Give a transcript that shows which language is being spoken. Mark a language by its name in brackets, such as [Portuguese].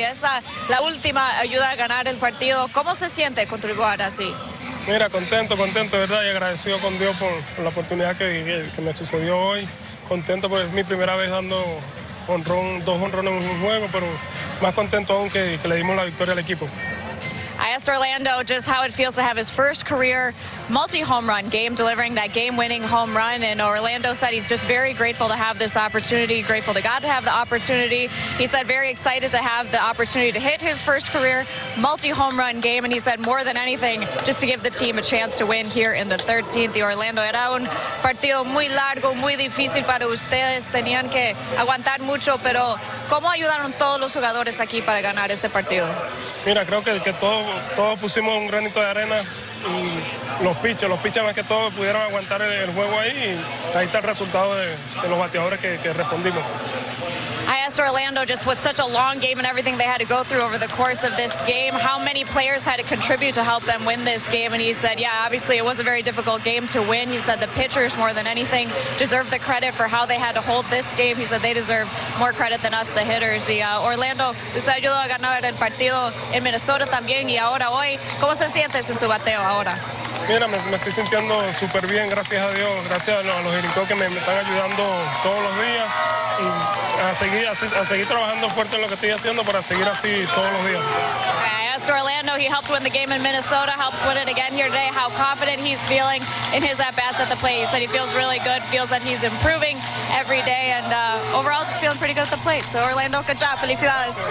[Spanish] Esa, la última ayuda a ganar el partido. ¿Cómo se siente contribuir así? Mira, contento, ¿verdad? Y agradecido con Dios por la oportunidad que me sucedió hoy. Contento porque es mi primera vez dando dos honrones en un juego, pero más contento aún que le dimos la victoria al equipo. [English] I asked Orlando just how it feels to have his first career multi-home run game, delivering that game-winning home run, and Orlando said he's just very grateful to have this opportunity, grateful to God to have the opportunity. He said very excited to have the opportunity to hit his first career multi-home run game, and he said more than anything, just to give the team a chance to win here in the 13th. [Spanish] The Orlando, era un partido muy largo, muy difícil para ustedes, tenían que aguantar mucho, pero ¿cómo ayudaron todos los jugadores aquí para ganar este partido? Mira, creo que todos pusimos un granito de arena y los pitchers más que todo pudieron aguantar el juego ahí y ahí está el resultado de los bateadores que respondimos. [English] I asked Orlando just with such a long game and everything they had to go through over the course of this game, how many players had to contribute to help them win this game, and he said, yeah, obviously it was a very difficult game to win. He said the pitchers more than anything deserve the credit for how they had to hold this game. He said they deserve more credit than us, the hitters. [Spanish] Y Orlando, usted ayudó a ganar el partido en Minnesota también, y ahora hoy, ¿cómo se siente en su bateo ahora? Mira, me estoy sintiendo súper bien, gracias a Dios, gracias a los gringos que me están ayudando todos los días y a seguir trabajando fuerte en lo que estoy haciendo para seguir así todos los días. [English] Orlando, he helped win the game in Minnesota, helps win it again here today. How confident he's feeling in his at-bats at the plate. He said he feels really good, feels that he's improving every day, and overall just feeling pretty good at the plate. So Orlando, good job. [Spanish] Felicidades.